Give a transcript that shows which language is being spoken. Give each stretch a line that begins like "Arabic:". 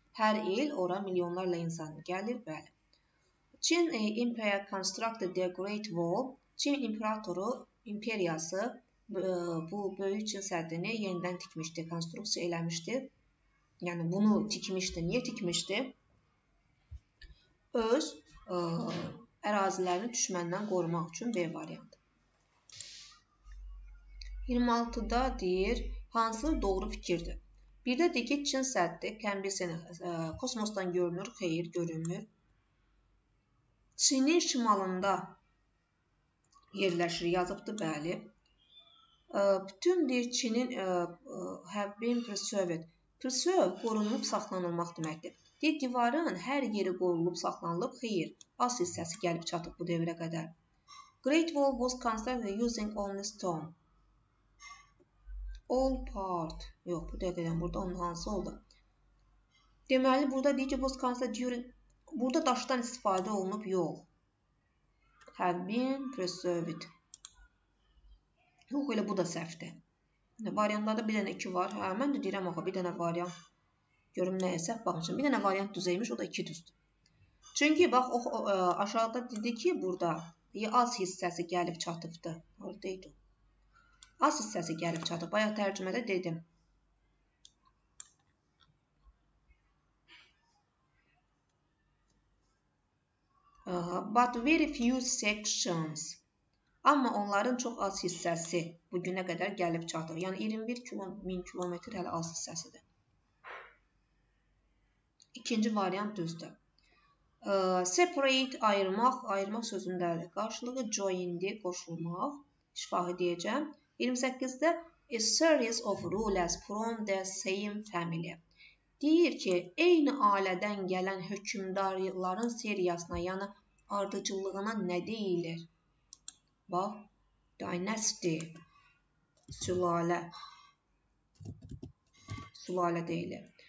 Azerbaijani: Hər il ora milyonlarla insan gəlir, bəli. Çin
English: Empire Constructed the Great Wall,
Azerbaijani: Çin İmperatoru, İmperiyası bu böyük Çin səddini yenidən tikmişdi, konstruksiya eləmişdi. Yəni, bunu tikmişdi. Niyə tikmişdi? Öz ərazilərini düşməndən qorumaq üçün bir variant. 26-da deyir, hansı doğru fikirdir? Bir də deyir ki, Çin səddi, kəmbisini kosmosdan görünür, xeyir, görünmür. Çinin şimalında yerləşir, yazıbdır, bəli. Bütün deyir, Çinin
English: have been preserved.
Azerbaijani: Preserve qorunulub saxlanılmaq deməkdir. Deyir, divarın hər yeri qorunulub saxlanılıb, xeyir, az hissəsi gəlib çatıb bu devrə qədər.
English: Great wall was constructed using only stone. All part.
Azerbaijani: Yox, bu dəqiqədən burada onun hansı oldu? Deməli, burada deyir ki,
English: was constructed during...
Azerbaijani: Burada daşdan istifadə olunub, yox.
English: Have been preserved.
Azerbaijani: Yox, elə bu da səhvdir. Variantlarda bir dənə iki var. Hə, mən də deyirəm, axı, bir dənə variant. Görüm, nəyə səhv baxmışam. Bir dənə variant düzəymiş, o da iki düzdür. Çünki, bax, aşağıda dedi ki, burada az hissəsi gəlib çatıbdır. Orada idi. Az hissəsi gəlib çatıb. Bayaq tərcümədə dedim.
English: But very few sections.
Azerbaijani: Amma onların çox az hissəsi bugünə qədər gəlib çatır. Yəni, 21 min kilometr hələ az hissəsidir. İkinci variant düzdür. Separate, ayırmaq, ayırmaq sözündədir. Qarşılığı joined, qoşulmaq, şifahı deyəcəm.
English: 28-də a series of rulers from the same family.
Azerbaijani: Deyir ki, eyni ailədən gələn hökmdarların seriyasına, yəni ardıcıllığına nə deyilir? Bax, dynasty, sülalə, sülalə deyilir.